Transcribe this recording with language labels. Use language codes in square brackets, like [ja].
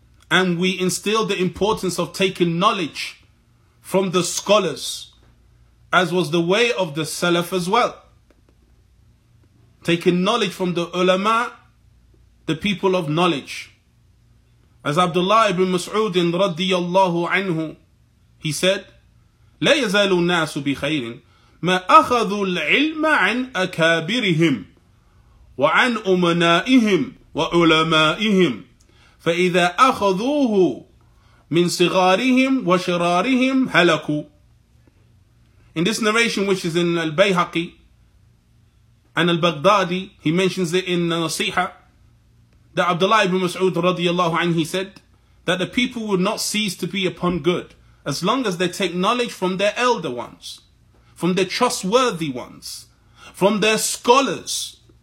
[en] And we instill the importance of taking knowledge from the scholars, as was the way of the Salaf as well. Taking knowledge from the ulama, the people of knowledge. As Abdullah ibn Mas'ud radiyallahu anhu, he said, [ar] لَا يَزَالُ النَّاسُ بِخَيْرٍ مَا أَخَذُوا الْعِلْمَ عَنْ أَكَابِرِهِمْ وَعَنْ أُمَنَائِهِمْ وَعُلَمَائِهِمْ فَإِذَا أَخَذُوهُ مِنْ صِغَارِهِمْ وَشِرَارِهِمْ هَلَكُوا. [en] In this narration, which is in Al-Bayhaqi and Al-Baghdadi, he mentions it in Nasiha, that Abdullah ibn Mas'ud radiyallahu anhu, he said that the people would not cease to be upon good as long as they take knowledge from their elder ones, from their trustworthy ones, from their scholars.